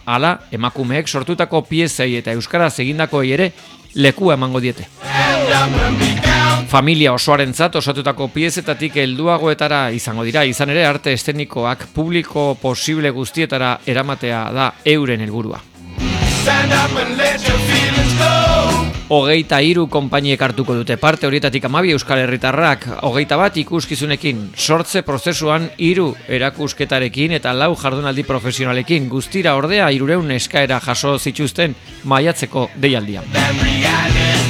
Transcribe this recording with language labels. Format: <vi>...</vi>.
<eu>Hala, emakumeek sortutako piezei eta euskaraz egindakoei ere lekua emango diete. Familia osoarentzat osatutako piezetatik helduagoetara izango dira, izan ere arte eszenikoak publiko posible guztietara eramatea da euren helburua.</eu> <en>Stand up and let your feelings flow.</en> <eu>23 konpainiek hartuko dute parte, horietatik 12 euskal herritarrak, 21 ikuskizunekin, sortze prozesuan 3 erakusketarekin eta 4 jardunaldi profesionalekin, guztira ordea 300 eskaera jaso zituzten maiatzeko deialdian.</eu>